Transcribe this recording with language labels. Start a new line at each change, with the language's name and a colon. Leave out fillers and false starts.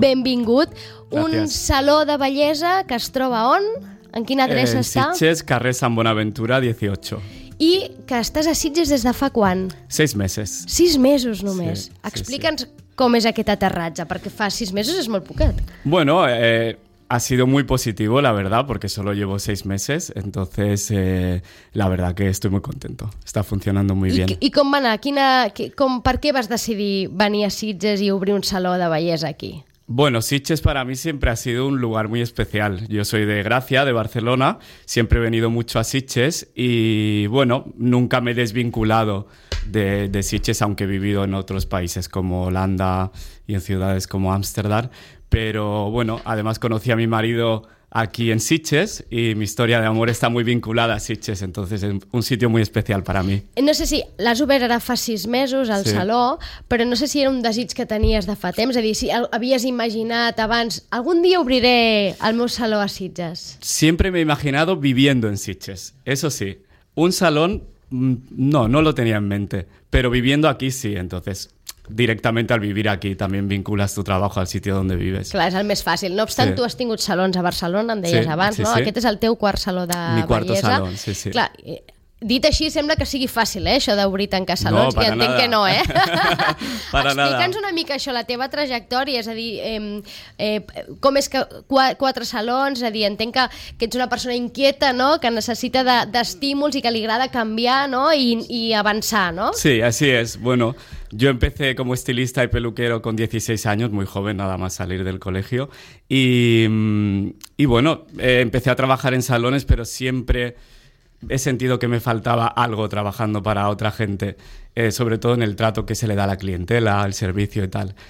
Catalan: Benvingut.
Spanish: Gracias.
Catalan: Un saló de bellesa que es troba on? En quina adreça està? Sitges, carrer Sant Bonaventura, 18. I que estàs a Sitges des de fa quan? 6 mesos. 6 mesos només. Sí, explica'ns com és aquest aterratge, perquè fa 6 mesos és molt poquet.
Spanish: Bueno, ha sido muy positivo, la verdad, porque solo llevo 6 meses, entonces la verdad que estoy muy contento. Está funcionando muy bien.
Catalan: I com va anar? Per què vas decidir venir a Sitges i obrir un saló de bellesa aquí?
Spanish: Bueno, Sitges para mí siempre ha sido un lugar muy especial. Yo soy de Gracia, de Barcelona, siempre he venido mucho a Sitges y, bueno, nunca me he desvinculado de Sitges, aunque he vivido en otros países como Holanda y en ciudades como Ámsterdam. Pero bueno, además conocí a mi marido aquí en Sitges y mi historia de amor está muy vinculada a Sitges, entonces es un sitio muy especial para mí.
Catalan: No sé si l'has obert ara fa 6 mesos al saló, però no sé si era un desig que tenies de fa temps, és a dir, si havies imaginat abans, algun dia obriré el meu saló a Sitges.
Spanish: Siempre me he imaginado viviendo en Sitges, eso sí. Un salón, no lo tenía en mente, pero viviendo aquí sí, entonces... Directamente al vivir aquí también vinculas tu trabajo al sitio donde vives.
Catalan: Clar, és el més fàcil. No obstant, tu has tingut salons a Barcelona, em deies abans, no?
Spanish: Sí.
Catalan: Aquest és el teu quart saló de bellesa.
Spanish: Mi quarto salón, sí.
Catalan: Clar, dit així, sembla que sigui fàcil, això d'obrir tancar salons.
Spanish: No, per a nada.
Catalan: I entenc que no,
Spanish: Per a nada.
Catalan: Explica'ns una mica això, la teva trajectòria, és a dir, com és que 4 salons, és a dir, entenc que ets una persona inquieta, no?, que necessita d'estímuls i que li agrada canviar, no?, i avançar, no?
Spanish: Sí, así es. Bueno, yo empecé como estilista y peluquero con 16 años, muy joven, nada más salir del colegio, y bueno, empecé a trabajar en salones, pero siempre... He sentido que me faltaba algo trabajando para otra gente, sobre todo en el trato que se le da a la clientela, al servicio y tal.